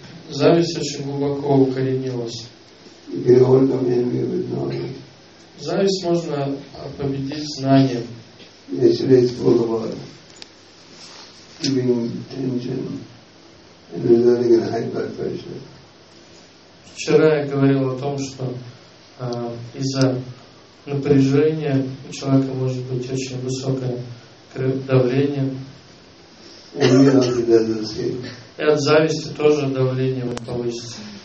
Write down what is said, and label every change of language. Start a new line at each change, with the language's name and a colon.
Russian: Зависть очень глубоко укоренилась.
English: You overcome envy with knowledge.
Russian: Зависть можно победить знанием.
English: Yesterday it's all about giving tension and resulting in high blood pressure.
Russian: Вчера я говорил о том, что из-за напряжения у человека может быть очень высокое давление. И от зависти тоже давление он повысится.